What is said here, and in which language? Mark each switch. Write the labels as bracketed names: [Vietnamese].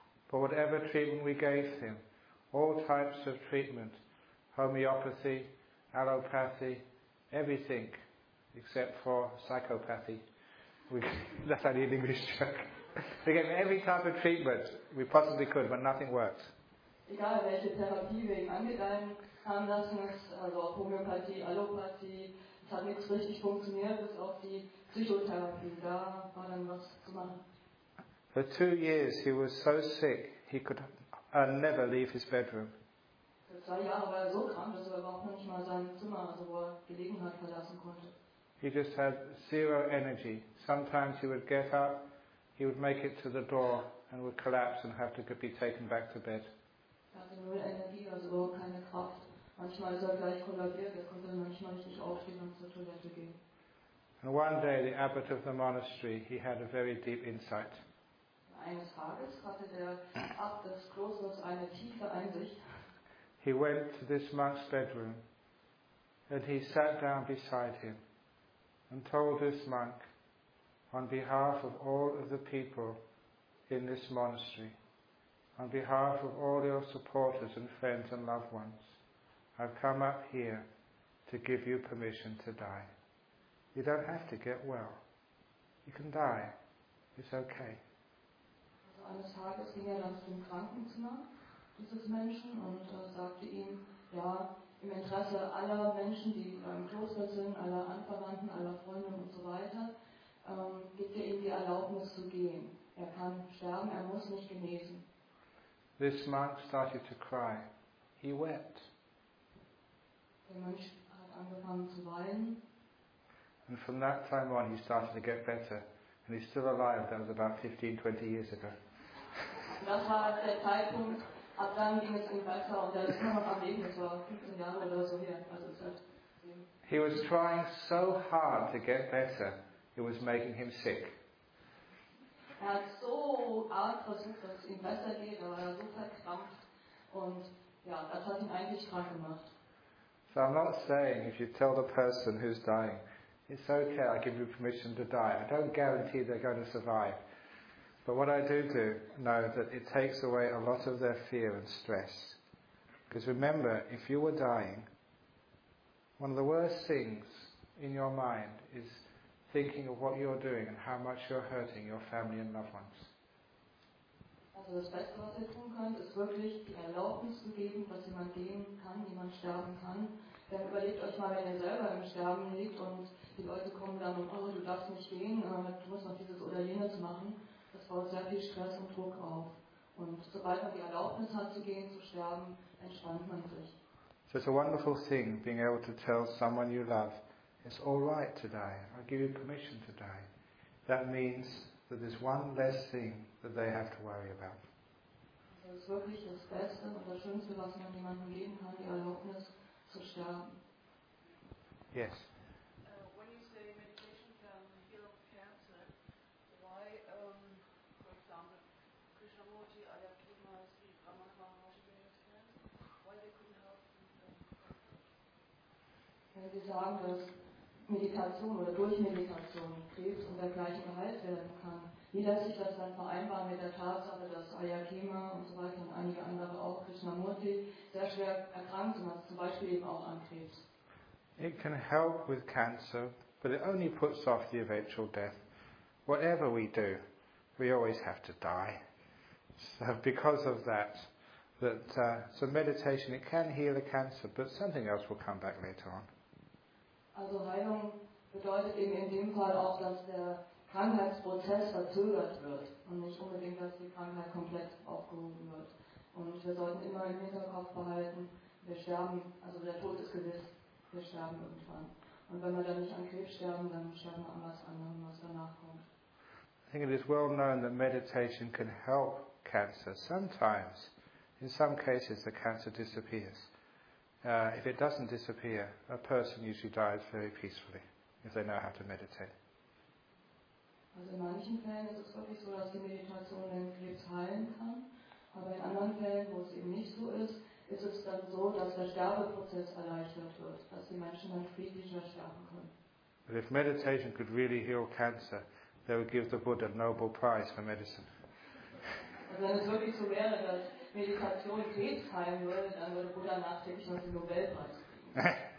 [English] But whatever treatment we gave him, all types of treatment, homeopathy, allopathy, everything except for psychopathy. That's an English joke. We gave him every type of treatment we possibly could, but nothing worked. [German] Egal welche Therapie wir ihm angedeihen haben lassen, also auch Homöopathie, Allopathie, es hat nichts richtig funktioniert, bis auf die Psychotherapie, da war dann was zu machen. [English] For 2 years he was so sick, he could never leave his bedroom. [German] Für 2 Jahre war er so krank, dass er überhaupt nicht mal sein Zimmer, also wo er gelegen hat, verlassen konnte. [English] He just had zero energy. Sometimes he would get up, he would make it to the door and would collapse and have to be taken back to bed. [German] Er hatte null Energie, also überhaupt keine Kraft. Manchmal ist er gleich kollabiert, er konnte manchmal nicht aufstehen und zur Toilette gehen. [English] And one day the abbot of the monastery, he had a very deep insight. [German] Eines Tages hatte der Abt des Klosters eine tiefe Einsicht. [English] He went to this monk's bedroom and he sat down beside him and told this monk, on behalf of all of the people in this monastery, on behalf of all your supporters and friends and loved ones, I've come up here to give you permission to die. You don't have to get well. You can die. It's okay. [German] Also eines Tages ging dann zu dem Krankenzimmer dieses Menschen und sagte ihm, im Interesse aller Menschen, die in einem Kloster sind, aller Anverwandten, aller Freunde und so weiter, gibt er ihm die Erlaubnis zu gehen. Er kann sterben, er muss nicht genesen. [English] This monk started to cry. He wept. [German] Der Mönch hat angefangen zu weinen. [English] And from that time on he started to get better. And he's still alive. That was about 15, 20 years ago. [German] Das war der Zeitpunkt, ab dann ging es ihm besser und er ist immer noch am Leben. Das war 15 Jahre oder so her. Also seit. [English] He was trying so hard to get better, it was making him sick. [German] Er hat so arg versucht, dass es ihm besser geht, aber er war so verkrampft. Und ja, das hat ihn eigentlich krank gemacht. [English] So I'm not saying if you tell the person who's dying, it's okay, I give you permission to die. I don't guarantee they're going to survive. But what I do know that it takes away a lot of their fear and stress. Because remember, if you were dying, one of the worst things in your mind is thinking of what you're doing and how much you're hurting your family and loved ones. [German] Also das Beste, was ihr tun könnt, ist wirklich die Erlaubnis zu geben, dass jemand gehen kann, jemand sterben kann. Dann überlegt euch mal, wenn ihr selber im Sterben liegt und die Leute kommen dann und oh, du darfst nicht gehen, du musst noch dieses oder jenes machen. Das baut sehr viel Stress und Druck auf. Und sobald man die Erlaubnis hat zu gehen, zu sterben, entspannt man sich. [English] So it's a wonderful thing, being able to tell someone you love, it's all right to die, I give you permission to die. That means that there's one less thing that they have to worry about. [German] Also es ist wirklich das Beste und das Schönste, was man jemandem geben kann, die Erlaubnis zu sterben. [English] Yes. When you say meditation can heal cancer, why, for example, Krishnamurti, Ayakima, Sri Ramana Maharaj, why they couldn't help? [German] Wenn Sie sagen, dass Meditation oder durch Meditation Krebs und dergleichen geheilt werden kann, wie lässt sich das dann vereinbaren mit der Tatsache, dass Ayakima und so weiter und einige andere auch Krishnamurti sehr schwer erkrankt sind, zum Beispiel eben auch an Krebs? [English] It can help with cancer, but it only puts off the eventual death. Whatever we do, we always have to die. So because of that, so meditation, it can heal the cancer, but something else will come back later on. [German] Also Heilung bedeutet eben in dem Fall auch, dass der Krankheitsprozess verzögert wird und nicht unbedingt, dass die Krankheit komplett aufgehoben wird. Und wir sollten immer im Hinterkopf behalten, wir sterben, also der Tod ist gewiss. Wir sterben irgendwann. Und wenn wir dann nicht an Krebs sterben, dann sterben wir an was anderem, was danach kommt. [English] I think it is well known that meditation can help cancer. Sometimes, in some cases, the cancer disappears. If it doesn't disappear, a person usually dies very peacefully, if they know how to meditate. [German] Also in manchen Fällen ist es wirklich so, dass die Meditation den Krebs heilen kann. Aber in anderen Fällen, wo es eben nicht so ist, ist es dann so, dass der Sterbeprozess erleichtert wird, dass die Menschen dann friedlicher sterben können. [English] But if meditation could really heal cancer, they would give the Buddha a Nobel Prize for medicine. [German] Also wenn es wirklich so wäre, dass Meditation Krebs heilen würde, dann würde Buddha nachträglich noch den Nobelpreis kriegen.